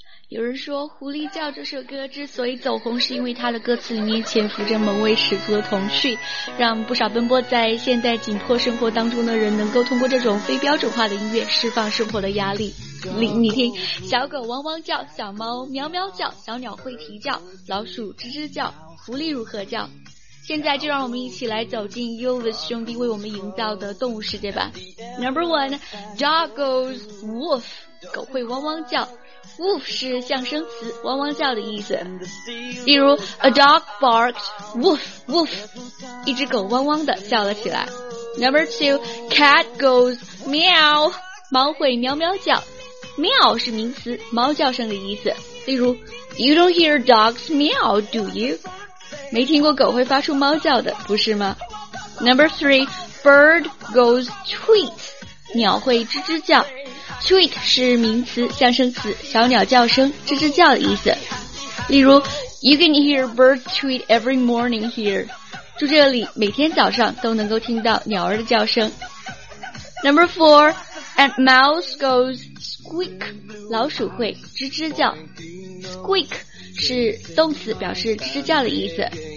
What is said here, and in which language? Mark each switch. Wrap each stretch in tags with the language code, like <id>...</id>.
<zh>有人说《狐狸叫》这首歌之所以走红，是因为它的歌词里面潜伏着萌味十足的童趣，让不少奔波在现代紧迫生活当中的人能够通过这种非标准化的音乐释放生活的压力。你听，小狗汪汪叫，小猫喵喵叫，小鸟会啼叫，老鼠吱吱叫，狐狸如何叫？现在就让我们一起来走进 Yovis 兄弟为我们营造的动物世界吧。</zh> <en>Number one, dog goes woof,</en> <zh>狗会汪汪叫。 Woof 是象声词，汪汪叫的意思。例如</zh> <en>A dog barked woof woof,</en> <zh>一只狗汪汪的叫了起来。</zh> <en>Number two, cat goes meow,</en> <zh>猫会喵喵叫。 Meow 是名词，猫叫声的意思。例如</zh> <en>You don't hear dogs meow, do you?</en> <zh>没听过狗会发出猫叫的，不是吗？</zh> <en>Number three, bird goes tweet,</en> <zh>鸟会吱吱叫。 Tweet 是名词，象声词，小鸟叫声，吱吱叫的意思。例如</zh> <en>You can hear birds tweet every morning here,</en> <zh>住这里每天早上都能够听到鸟儿的叫声。</zh> <en>Number four, and mouse goes squeak,</en> <zh>老鼠会吱吱叫。 Squeak是动词，表示吱吱叫的意思。</zh>